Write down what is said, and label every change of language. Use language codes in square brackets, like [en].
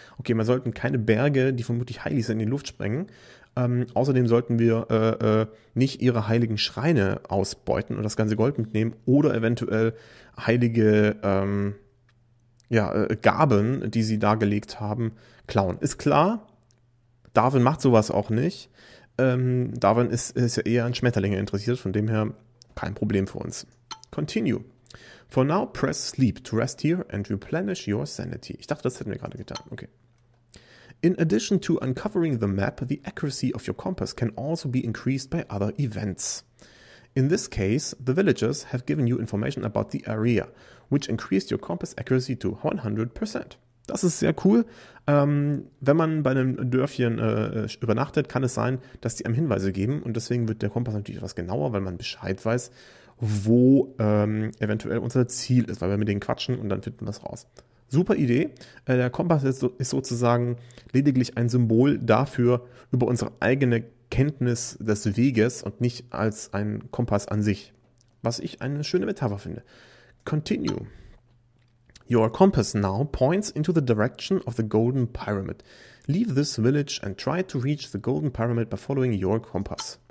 [de] Okay, wir sollten keine Berge, die vermutlich heilig sind, in die Luft sprengen. Außerdem sollten wir nicht ihre heiligen Schreine ausbeuten und das ganze Gold mitnehmen oder eventuell heilige Gaben, die sie dargelegt haben, klauen. Ist klar. Darwin macht sowas auch nicht. Darwin ist ja eher an Schmetterlinge interessiert, von dem her kein Problem für uns. [en] Continue. For now, press sleep to rest here and replenish your sanity. [de] Ich dachte, das hätten wir gerade getan. [en] Okay. In addition to uncovering the map, the accuracy of your compass can also be increased by other events. In this case, the villagers have given you information about the area, which increased your compass accuracy to 100%. [de] Das ist sehr cool. Wenn man bei einem Dörfchen übernachtet, kann es sein, dass die einem Hinweise geben. Und deswegen wird der Kompass natürlich etwas genauer, weil man Bescheid weiß, wo eventuell unser Ziel ist. Weil wir mit denen quatschen und dann finden wir es raus. Super Idee. Der Kompass ist sozusagen lediglich ein Symbol dafür, über unsere eigene Kenntnis des Weges und nicht als ein Kompass an sich. Was ich eine schöne Metapher finde. Continue. [en] Your compass now points into the direction of the Golden Pyramid. Leave this village and try to reach the Golden Pyramid by following your compass.